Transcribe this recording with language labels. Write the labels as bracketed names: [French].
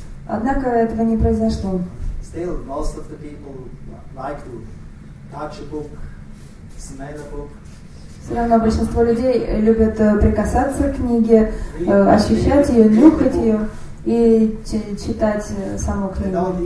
[Russian] Однако этого не произошло. [English] Still, most of the people like to touch a book, smell a book. [Russian] Все равно большинство людей любят прикасаться к книге, ощущать ее, нюхать ее и читать саму книгу.